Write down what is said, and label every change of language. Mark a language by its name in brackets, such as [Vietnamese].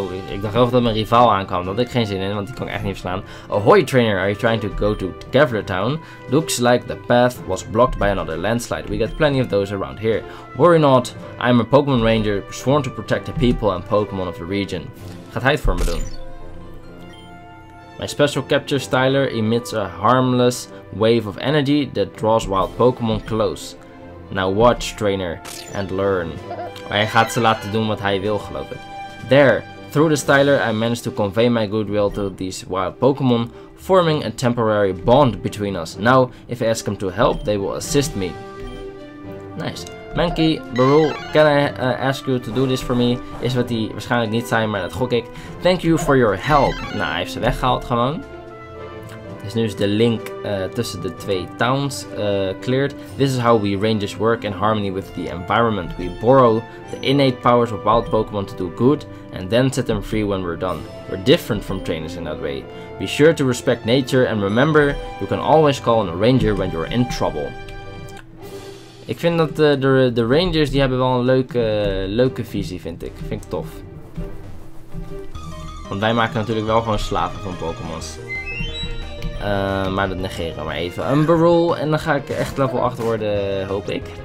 [Dutch] Ik dacht wel dat mijn rivaal aankwam. Dat had ik geen zin in, want die kan ik echt niet verslaan. [English] Ahoy trainer, are you trying to go to Kevlar Town? Looks like the path was blocked by another landslide. We got plenty of those around here. Worry not, I'm a Pokémon Ranger, sworn to protect the people and Pokémon of the region. [Dutch] Gaat hij het voor me doen? [English] My special capture styler emits a harmless wave of energy that draws wild Pokémon close. Now watch, trainer, and learn. [Dutch] Hij gaat ze laten doen wat hij wil, geloof ik. [English] There, through the styler, I managed to convey my goodwill to these wild Pokémon, forming a temporary bond between us. Now, if I ask them to help, they will assist me. Nice. Mankey, Barul, can I ask you to do this for me? [Dutch] Is wat die waarschijnlijk niet zijn, maar dat gok ik. [English] Thank you for your help. [Dutch] Nou, hij heeft ze weggehaald gewoon. Dus nu is de link tussen de twee towns cleared. [English] This is how we rangers work in harmony with the environment. We borrow the innate powers of wild Pokémon to do good and then set them free when we're done. We're different from trainers in that way. Be sure to respect nature and remember, you can always call on a ranger when you're in trouble. [Dutch] Ik vind dat de rangers die hebben wel een leuke visie, vind ik. Vind ik tof. Want wij maken natuurlijk wel gewoon slaven van Pokémon's. Maar dat negeren we maar even. Een Barul en dan ga ik echt level 8 worden, hoop ik.